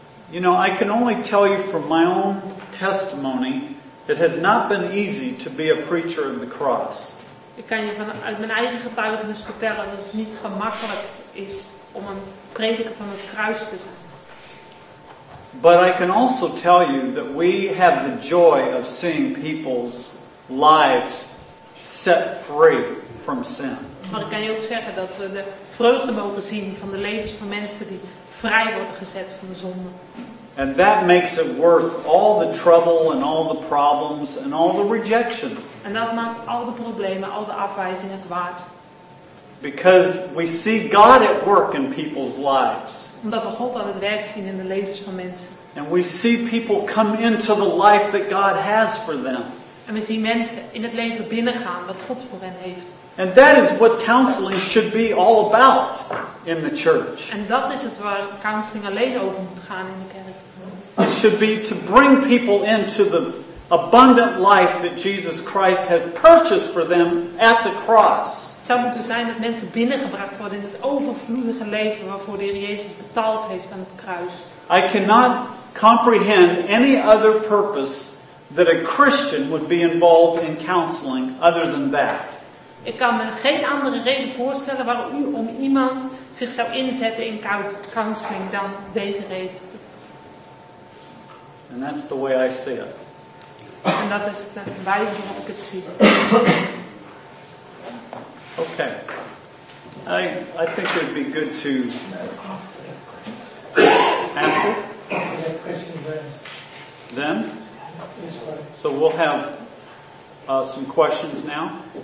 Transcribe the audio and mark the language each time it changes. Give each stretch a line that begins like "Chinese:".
English: You know, I can only tell you from my own testimony, it has not been easy to be a preacher in the cross.
Dutch: Ik kan je vanuit mijn eigen getuigenis vertellen dat het niet gemakkelijk is om een prediker van het kruis te zijn.
English: But I can also tell you that we have the joy of seeing people's lives set free from sin.
Dutch: Maar ik kan je ook zeggen dat we de vreugde mogen zien van de levens van mensen die vrij worden gezet van de zonde.
English: And that makes it worth all the trouble and all the problems and all the rejection.
Dutch: En dat maakt al de problemen, al de afwijzingen het waard.
English: Because we see God at work in people's lives.
Dutch: Omdat we God aan het werk zien in de levens van mensen.
English: And we see people come into the life that God has for them.
Dutch: En we zien mensen in het leven binnengaan wat God voor hen heeft.
English: And that is what counseling should be all about in the church.
Dutch: En dat is het waar counseling alleen over moet gaan in de kerk.
English: It should be to bring people into the abundant life that Jesus Christ has purchased for them at the cross.
Dutch: Het zou moeten zijn dat mensen binnengebracht worden in het overvloedige leven waarvoor de Heer Jezus betaald heeft aan het kruis.
English: I cannot comprehend any other purpose that a Christian would be involved in counseling other than that.
Dutch: Ik kan me geen andere reden voorstellen waarom iemand zich zou inzetten in counseling dan deze reden.
English: And that's the way I see it.
Dutch: En dat is de wijze waarop ik het zie.
English: Okay. I think it would be good to answer. Then? So we'll have some questions now.